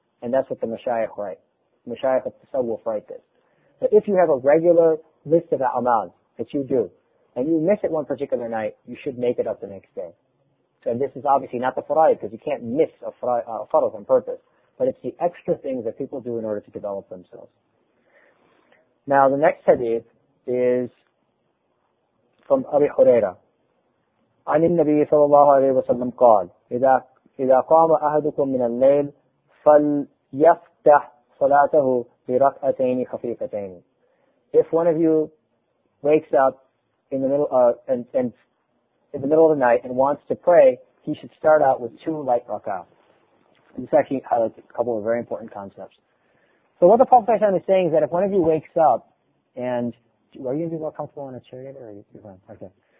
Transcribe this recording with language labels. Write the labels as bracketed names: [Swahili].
[English] And that's what the mashayikh write. Mashayikh of tasawwuf write this. But if you have a regular list of amal that you do, and you miss it one particular night, you should make it up the next day. So, and this is obviously not the faraid, because you can't miss a farad on purpose. But it's the extra things that people do in order to develop themselves. Now, the next hadith is from Abi Huraira. [Arabic] عن النبي صلى الله عليه وسلم قال إذا قام أحدكم من الليل فليفتح صلاته بركعتين خفيفتين. [English] If one of you wakes up in the middle of the night and wants to pray, he should start out with 2 light rak'ah. And this actually highlights a couple of very important concepts. So what the Prophet is saying is that if one of you wakes up and, are you going to be more comfortable in a chair yet or are you fine? Okay.